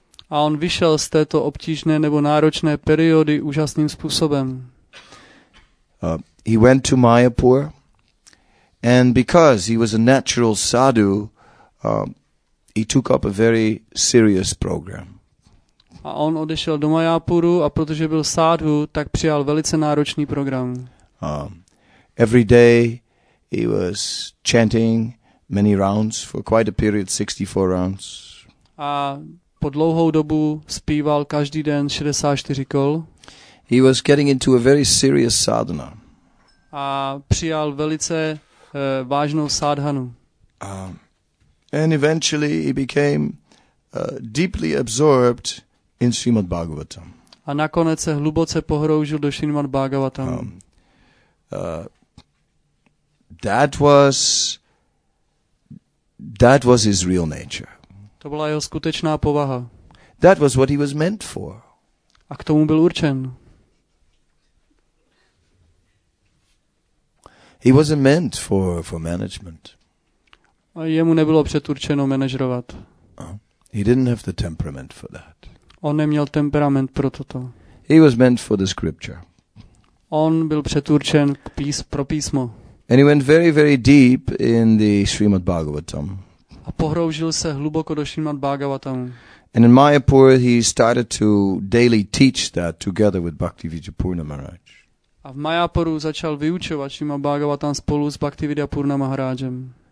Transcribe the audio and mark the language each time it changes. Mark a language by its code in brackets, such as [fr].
[cs] A on vyšel z této obtížné nebo náročné periody úžasným způsobem. [en] He went to Mayapur, and because he was a natural sadhu, he took up a very serious program. [cs] A on odešel do Mayapuru, a protože byl sádhu, tak přijal velice náročný program. [en] Every day He was chanting many rounds for quite a period, 64 rounds. [cs] A po dlouhou dobu zpíval každý den 64 kol. [en] He was getting into a very serious sadhana. [cs] A přijal velice vážnou sadhanu. [en] And eventually he became deeply absorbed in Srimad Bhagavatam. [cs] A nakonec se hluboce pohroužil do Srimad Bhagavatam. [en] That was his real nature. [cs] To byla jeho skutečná povaha. [en] That was what he was meant for. [cs] A k tomu byl určen. [en] He wasn't meant for management. [cs] A jemu nebylo předurčeno manažerovat. [en] He didn't have the temperament for that. [cs] On neměl temperament pro toto. [en] He was meant for the scripture. [cs] On byl předurčen pro písmo. [en] And he went very, very deep in the Srimad Bhagavatam. [cs] A pohroužil se hluboko do Srimad Bhagavatam. [en] And in Mayapur, he started to daily teach that together with Bhaktivedya Purna Maharaj. [cs] A v Mayapuru začal vyučovat Srimad Bhagavatam spolu s Bhaktivedya Purna Maharajem.